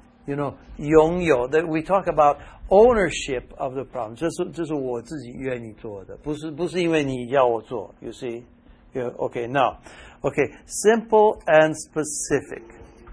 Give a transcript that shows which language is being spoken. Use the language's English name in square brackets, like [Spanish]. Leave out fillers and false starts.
[English] You know, 拥有 that we talk about ownership of the problem. [Chinese] 这是我自己愿意做的，不是因为你要我做。 [English] You see, yeah, okay, now, okay, simple and specific.